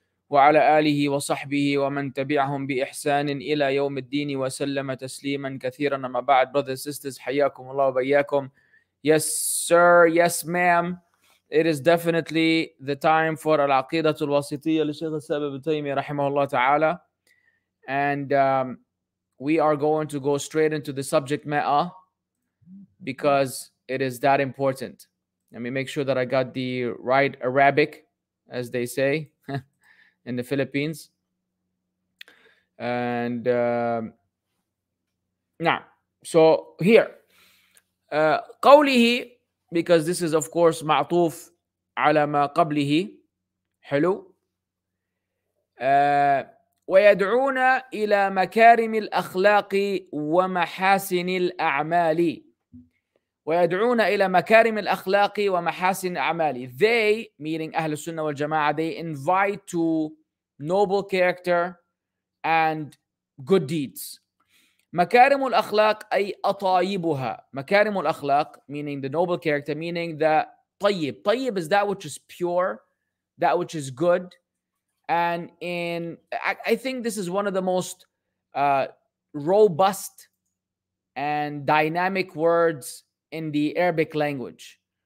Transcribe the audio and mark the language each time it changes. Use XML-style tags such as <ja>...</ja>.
<ar>وعلى آله وصحبه ومن تبعهم بإحسان إلى يوم الدين وسلم تسليما كثيرا ما بعد</ar> <en>brothers sisters</en> <ar>حياكم الله وبياكم</ar> <en>yes sir yes ma'am it is definitely the time for Al-Aqeedatul-Waasitiyyah</en> <ar>لشيخ الإسلام ابن تيمية رحمه الله تعالى</ar> <en>and we are going to go straight into the subject matter because it is that important. Let me make sure that I got the right Arabic, as they say in the Philippines. And now, so here, قَوْلِهِ, because this is, of course,</en> <ar>معطوف على ما قَبْلِهِ,</ar> <en>حلو.</en> <ar>ويدعون إلى مكارم الأخلاق ومحاسن الأعمال. ويدعون إلى مكارم الأخلاق ومحاسن الأعمال.</ar> <en>They, meaning Ahl-us-Sunnah wal-Jamaa'ah, they invite to noble character and good deeds.</en> <ar>مكارم الأخلاق أي أطايبها.</ar> <en>مكارم الأخلاق, meaning the noble character, meaning the طيب. طيب is that which is pure, that which is good. And in, I think this is one of the most robust and dynamic words in the Arabic language.</en>